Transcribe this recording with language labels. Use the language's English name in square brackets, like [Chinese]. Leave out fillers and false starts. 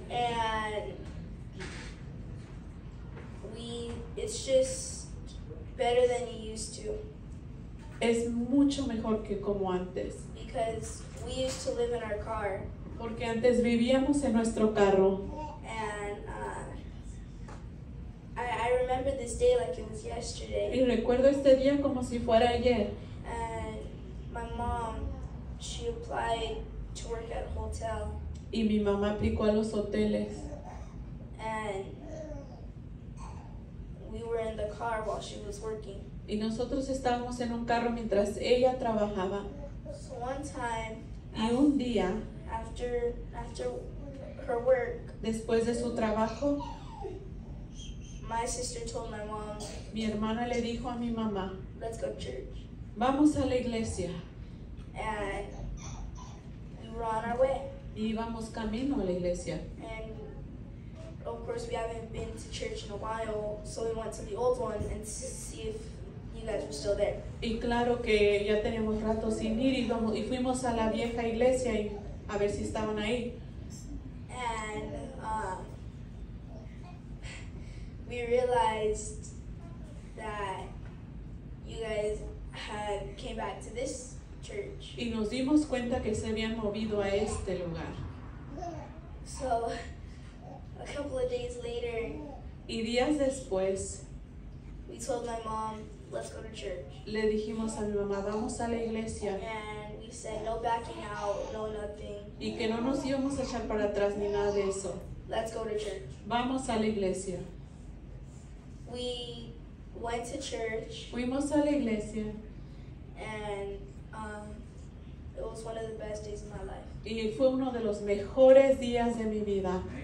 [English] And it's just better than you used to. [Spanish] Es mucho mejor que como antes. [English] Because we used to live in our car. [Spanish] Porque antes vivíamos en nuestro carro. [English] And I remember this day like it was yesterday. [Spanish] Y recuerdo este día como si fuera ayer. [English] And my mom, she applied to work at a hotel. [Spanish] Y mi mamá aplicó a los hoteles. [English] And we were in the car while she was working. [Spanish] Y nosotros estábamos en un carro mientras ella trabajaba. [English] So one time, [Spanish] y un día, [English] after her work, [Spanish] después de su trabajo, [English] my sister told my mom, [Spanish] mi hermana le dijo a mi mamá, [English] let's go to church. [Spanish] Vamos a la iglesia. [English] And we were on our way. [Spanish] Y íbamos camino a la iglesia. [English] And of course we haven't been to church in a while, so we went to the old one and see if you guys were still there. [Spanish] Y claro que ya tenemos rato sin ir, y fuimos a la vieja iglesia y a ver si estaban ahí. [English] And we realized that you guys had came back to this church. [Spanish] Y nos dimos cuenta que se habían movido a este lugar. [English] So a couple of days later, [Spanish] y días después, [English] we told my mom, let's go to church. [Spanish] Le dijimos a mi mamá, vamos a la iglesia. [English] And we said, no backing out, no nothing. [Spanish] Y que no nos íbamos a echar para atrás ni nada de eso. [English] Let's go to church. [Spanish] Vamos a la iglesia. [English] We went to church. [Spanish] Fuimos a la iglesia. [English] And it was one of the best days of my life. [Spanish] Y fue uno de los mejores días de mi vida.